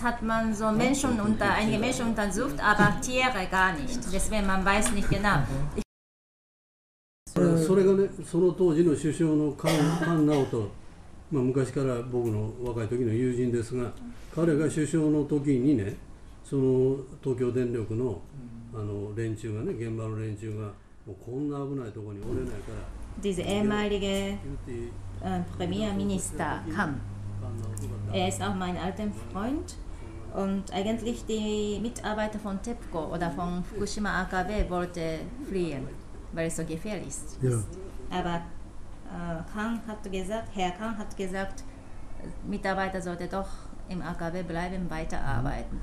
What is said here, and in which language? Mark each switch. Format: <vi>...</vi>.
<de>hat man so Menschen unter, einige Menschen untersucht, aber Tiere gar nicht. Deswegen man weiß nicht genau.</de> <ja>それがね、その当時の首相の菅直人、まあ、昔から僕の若い時の友人ですが、彼が首相の時にね、その東京電力 の, あの連中がね、現場の連中が、もうこんな危ないところにおれないから。</ja> <de>Diese ehemalige Premierminister Kam, er ist auch mein alter Freund und eigentlich die Mitarbeiter von TEPCO oder von Fukushima AKW wollte fliehen. Weil es so gefährlich ist. Ja. Aber Kang hat gesagt, Herr Kang hat gesagt, Mitarbeiter sollte doch im AKW bleiben, weiterarbeiten. Mhm.</de>